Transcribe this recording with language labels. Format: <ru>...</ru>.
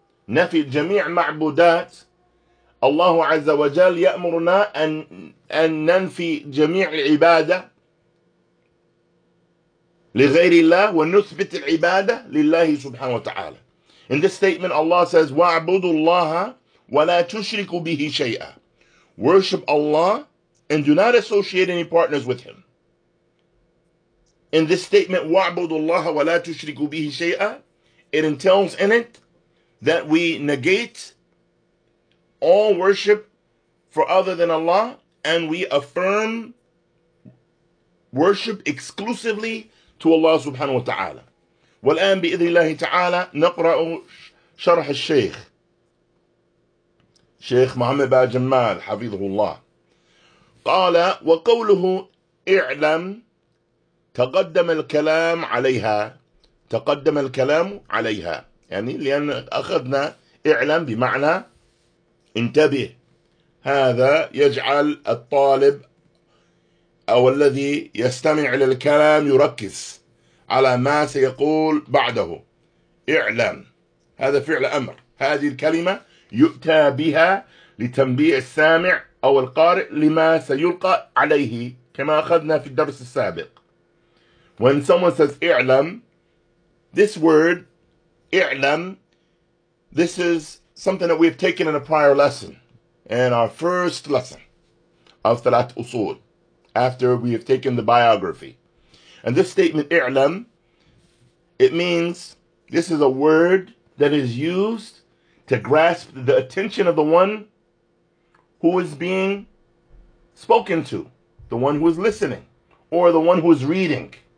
<ar>نفي جميع معبودات. الله عز وجل يأمرنا أن ننفي جميع العبادة لغير الله ونثبت العبادة لله سبحانه وتعالى.</ar> <en>In this statement, Allah says,</en> <ar>وَاعْبُدُوا اللَّهَ وَلَا تُشْرِكُوا بِهِ شَيْئًا.</ar> <en>Worship Allah and do not associate any partners with Him. In this statement,</en> <ar>وَاعْبُدُوا اللَّهَ وَلَا تُشْرِكُوا بِهِ شَيْئًا,</ar> <en>it entails in it that we negate all worship for other than Allah, and we affirm worship exclusively to Allah subhanahu wa ta'ala.</en> <ar>والآن بإذن الله تعالى نقرأ شرح الشيخ شيخ محمد بن جمال حفظه الله. قال وقوله اعلم تقدم الكلام عليها. تقدم الكلام عليها يعني لأن أخذنا اعلم بمعنى انتبه. هذا يجعل الطالب أو الذي يستمع للكلام يركز على ما سيقول بعده. اعلم هذا فعل أمر. هذه الكلمة يؤتى بها لتنبيه السامع أو القارئ لما سيلقى عليه كما أخذنا في الدرس السابق.</ar> <en>When someone says اعلم, this word اعلم, this is something that we've taken in a prior lesson, in our first lesson of Thalat Usul, after we have taken the biography. And this statement, i'lam, it means this is a word that is used to grasp the attention of the one who is being spoken to, the one who is listening, or the one who is reading.</en>